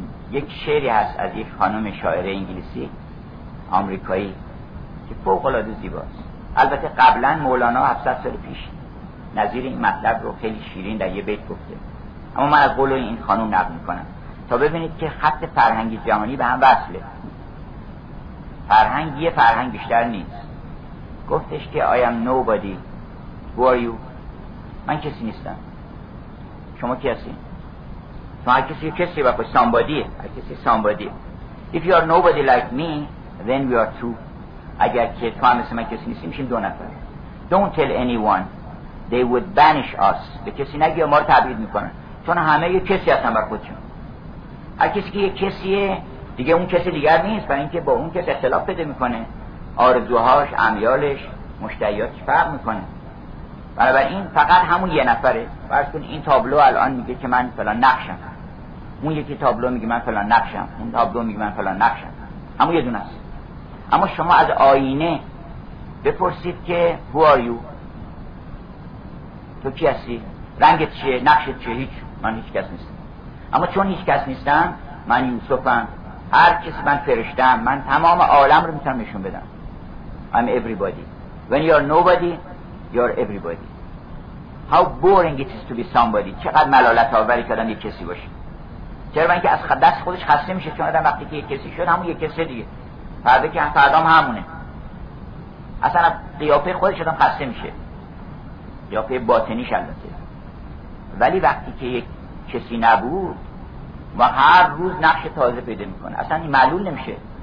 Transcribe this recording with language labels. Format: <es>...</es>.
<fa>یک شعری هست از یک خانم شاعره انگلیسی آمریکایی که فوق‌العاده زیباست. البته قبلا مولانا 700 سال پیش نظیر این مطلب رو خیلی شیرین در یه بیت گفته، اما من از قول این خانم نقل میکنم تا ببینید که خط فرهنگی جهانی به هم وصله. فرهنگ یه فرهنگ بیشتر نیست. گفتش که</fa> <en>I am nobody. Who are you?</en> <fa>من کسی نیستم. شما کی هستین؟ شما هر کسی کسی با خود سامبادیه. هر کسی سامبادیه.</fa> <en>If you are nobody like me, then we are two.</en> <fa>اگر که تو هم مثل من کسی نیستیم میشیم دو نفر.</fa> <en>Don't tell anyone. They would banish us.</en> <fa>به کسی نگی و ما رو تبعید میکنن. چون همه یه کسی هستن با خودشون. هر کسی که یه کسیه دیگه اون کسی دیگر نیست، برای اینکه با اون کس اختلاف پیدا میکنه، آرزوهاش، امیالش، مشتهیاتش فرق میکنه. بنابراین این فقط همون یه نفره. فرض کن این تابلو الان میگه که من فلان نقشم، اون یکی تابلو میگه من فلان نقشم، اون تابلو میگه من فلان نقشم، همون یه دونه است. اما شما از آینه بپرسید که</fa> <en>Who are you؟</en> <fa>تو کی هستی؟ رنگت چیه؟ نقشت چیه؟ هیچ، من هیچ کس نیستم. اما چون هیچ کس نیستم، من یوسفم، هر کسی من فرشتم، من تمام عالم رو میتونم نشون بدم.</fa> <en>I'm everybody. When you are nobody, you are everybody. How boring it is to be somebody.</en> <fa>چقدر ملالت آوری که آدم یک کسی باشه. چرا؟ من که از دست خودش خسته میشه، چون آدم وقتی که یک کسی شد همون یک کسی دیگه. فرده که فردام همونه. اصلا قیافه خودش آدم خسته میشه. قیافه باطنیش البته. ولی وقتی که یک کسی نبود و هر روز نقش تازه پیدا میکنه، اصلا این معلول نمیشه.</fa>